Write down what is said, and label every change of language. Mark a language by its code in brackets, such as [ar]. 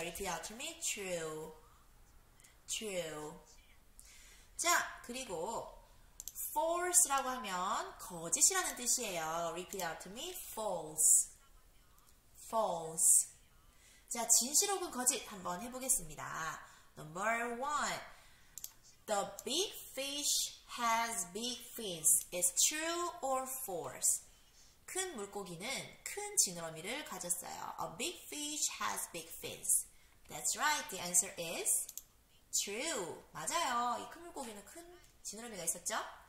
[en] Repeat after me, true, true. [ko] 자, 그리고 false라고 하면 거짓이라는 뜻이에요. [en] Repeat after me, false, false. [ko] 자, 진실 혹은 거짓 한번 해보겠습니다. [en] Number one, the big fish has big fins. It's true or false? [ko] 큰 물고기는 큰 지느러미를 가졌어요. [en] A big fish has big fins. That's right. The answer is true. [ko] 맞아요. 이큰 물고기는 큰 지느러미가 있었죠?